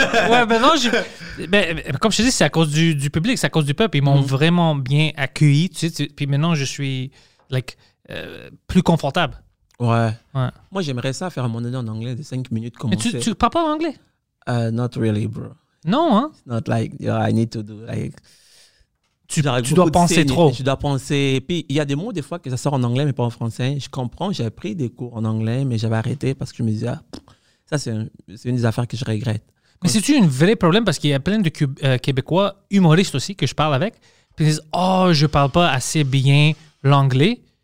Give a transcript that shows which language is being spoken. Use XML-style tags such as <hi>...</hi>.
<fr>Ouais, mais non, comme je te dis, c'est à cause du public, c'est à cause du peuple, ils m'ont vraiment bien accueilli, tu sais, puis maintenant, je suis... plus confortable. Ouais. Ouais. Moi, j'aimerais ça faire un moment donné en anglais de 5 minutes. Mais tu parles pas en anglais?</fr> <en>Not really, bro.</en> <fr>Non, hein?</fr> <en>It's not like, you know, I need to do like...</en> <fr>Tu dois penser trop. Tu dois penser. Puis, il y a des mots, des fois, que ça sort en anglais, mais pas en français. Je comprends, j'ai pris des cours en anglais, mais j'avais arrêté parce que je me disais, ah, ça, c'est une des affaires que je regrette. Mais c'est-tu un vrai problème? Parce qu'il y a plein de Québécois humoristes aussi que je parle avec. Puis ils disent, oh, je parle pas assez bien l'anglais.</fr>